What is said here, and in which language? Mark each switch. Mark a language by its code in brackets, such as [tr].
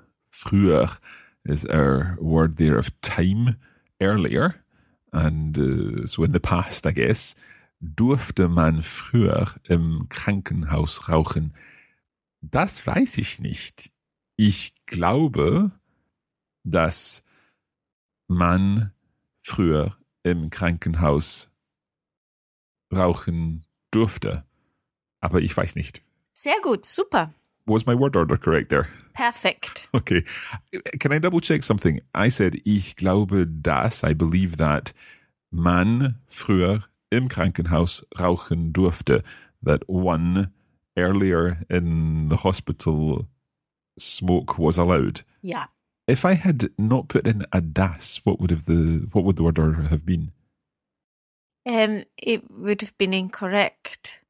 [en] Früher is our word there of time, earlier. And so in the past, I guess. [de] Durfte man früher im Krankenhaus rauchen? Das weiß ich nicht. Ich glaube, dass man früher im Krankenhaus rauchen durfte. Aber ich weiß nicht. Sehr gut, super. [en] Was my word order correct there? Perfect. Okay. Can I double check something? I said, [de] ich glaube, dass, [en] I believe that, [de] man früher im Krankenhaus rauchen durfte. [en] That one earlier in the hospital smoke was allowed. Yeah. If I had not put in a das, what would the word order have been? It would have been incorrect.